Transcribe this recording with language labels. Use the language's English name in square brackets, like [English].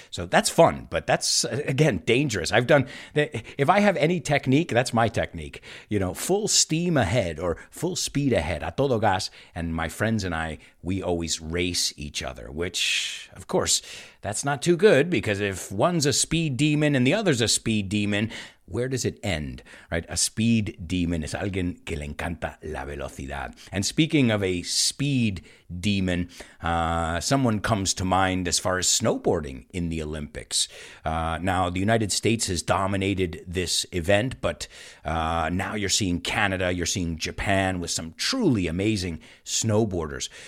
[English] So that's fun, but that's, again, dangerous. I've done, if I have any technique, that's my technique. You know, full steam ahead or full speed ahead, [Spanish] a todo gas, [English] and my friends and I, we always race each other, which, of course, that's not too good, because if one's a speed demon and the other's a speed demon, where does it end, right? A speed demon is [Spanish] alguien que le encanta la velocidad. [English] And speaking of a speed demon, someone comes to mind as far as snowboarding in the Olympics. Now, the United States has dominated this event, but now you're seeing Canada, you're seeing Japan with some truly amazing snowboarders.